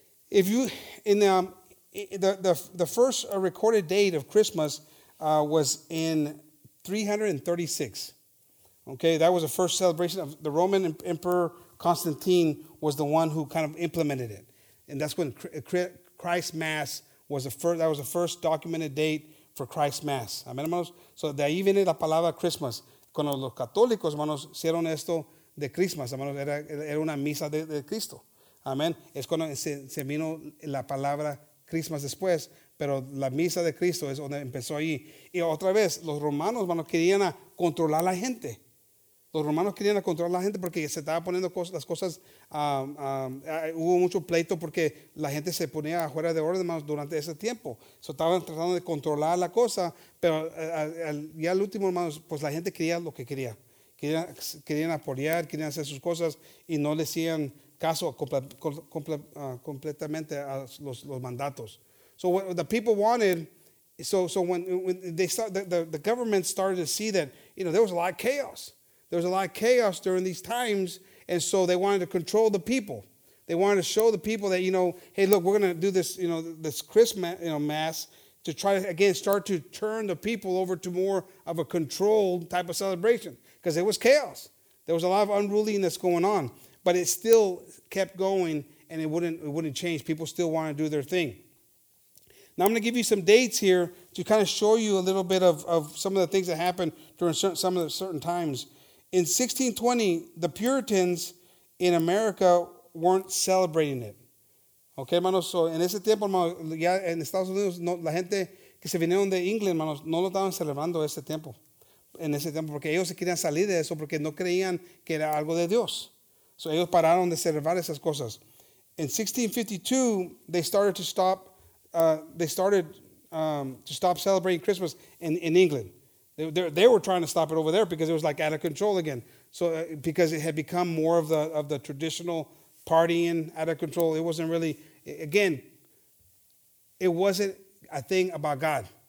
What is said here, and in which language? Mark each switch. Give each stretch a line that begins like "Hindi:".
English: If you in the first recorded date of Christmas was in 336. Okay, that was the first celebration of the Roman Emperor Constantine was the one who kind of implemented it. And that's when Christ Mass was the first. That was the first documented date for Christ Mass.
Spanish: Amen, hermanos. So de ahí viene la palabra Christmas. Cuando los católicos, hermanos, hicieron esto de Christmas, hermanos, era una misa de Cristo. Amen. Es cuando se vino la palabra Christmas después. Pero la misa de Cristo es donde empezó ahí. Y otra vez, los romanos, hermanos, querían a controlar a la gente. Los romanos querían controlar a la gente porque se estaba poniendo las cosas. Hubo mucho pleito porque la gente se ponía fuera de orden, hermanos, durante ese tiempo. So, estaban tratando de controlar la cosa, pero ya al último, hermanos, pues la gente quería lo que quería. Querían apoyar, querían hacer sus cosas y no le hacían caso completamente a los mandatos.
English: So what the people wanted, so when they saw the government started to see that, you know, there was a lot of chaos. There was a lot of chaos during these times, and so they wanted to control the people. They wanted to show the people that, you know, hey, look, we're going to do this, you know, this Christmas, you know, mass to try to, again, start to turn the people over to more of a controlled type of celebration, because it was chaos. There was a lot of unruliness going on, but it still kept going, and it wouldn't change. People still wanted to do their thing. Now, I'm going to give you some dates here to kind of show you a little bit of some of the things that happened during certain times. In 1620, the Puritans in America weren't celebrating it.
Spanish: Okay, hermanos, so en ese tiempo, hermanos, ya en Estados Unidos, no, la gente que se vinieron de England, hermanos, no lo estaban celebrando ese tiempo. En ese tiempo, porque ellos se querían salir de eso porque no creían que era algo de Dios. So ellos pararon de celebrar esas cosas.
English: In 1652, they started to stop celebrating Christmas in England. They were trying to stop it over there because it was like out of control again. So because it had become more of the traditional partying out of control, it wasn't really, again, it wasn't a thing about God.